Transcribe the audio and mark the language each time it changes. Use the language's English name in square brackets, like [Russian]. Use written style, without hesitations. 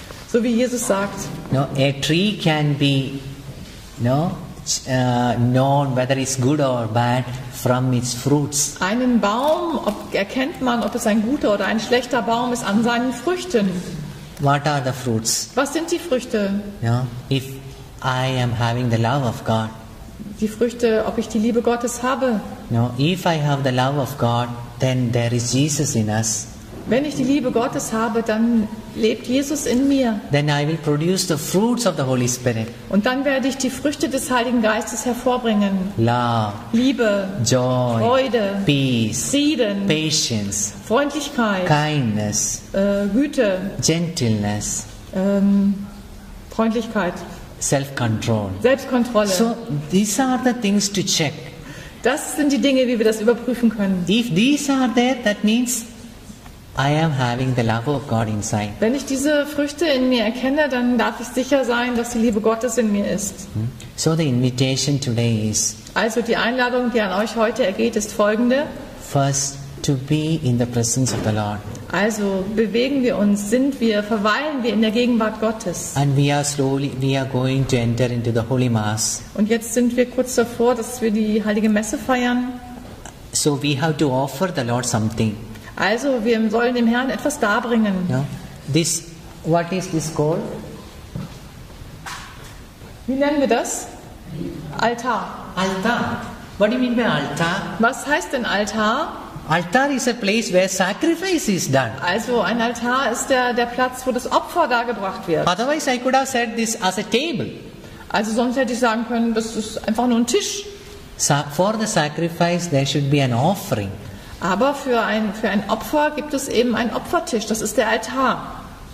[German] So wie Jesus sagt. [English] No, a tree can be known whether it's good or bad from its fruits. [German] Einen Baum erkennt man, ob es ein guter oder ein schlechter Baum ist, an seinen Früchten. [English] What are the fruits? [German] Was sind die Früchte? [English] No, if I am having the love of God. [German] Die Früchte, ob ich die Liebe Gottes habe. [English] No, if I have the love of God, then there is Jesus in us. [German] Wenn ich die Liebe Gottes habe, dann lebt Jesus in mir. [English] Then I will produce the fruits of the Holy Spirit. [German] Und dann werde ich die Früchte des Heiligen Geistes hervorbringen. [English] Love, [German] Liebe, [English] Joy, [German] Freude, [English] Peace, [German] Frieden, [English] Patience, [German] Freundlichkeit, [English] Kindness, [German] Güte, [English] Gentleness, [German] Freundlichkeit. [English] Self-control. [German] Selbstkontrolle. [English] So, these are the things to check. [German] Das sind die Dinge, wie wir das überprüfen können. [English] If these are there, that means I am having the love of God inside. [German] Wenn ich diese Früchte in mir erkenne, dann darf ich sicher sein, dass die Liebe Gottes in mir ist. [English] So, the invitation today is. [German] Also, die Einladung, die an euch heute ergeht, ist folgende. [English] First, to be in the presence of the Lord. [German] Also bewegen wir uns, sind wir, verweilen wir in der Gegenwart Gottes. [English] And we are slowly, we are going to enter into the Holy Mass. [German] Und jetzt sind wir kurz davor, dass wir die Heilige Messe feiern. [English] So we have to offer the Lord something. [German] Also wir sollen dem Herrn etwas darbringen. [English] Yeah. This, what is this called? [German] Wie nennen wir das? Altar. [English] Altar. What do you mean by altar? [German] Was heißt denn Altar? [English] Altar is a place where sacrifice is done. [German] Also ein Altar ist der Platz, wo das Opfer dargebracht wird. [English] Otherwise I could have said this as a table. [German] Also sonst hätte ich sagen können, das ist einfach nur ein Tisch. [English] So for the sacrifice there should be an offering. [German] Aber für ein Opfer gibt es eben einen Opfertisch, das ist der Altar.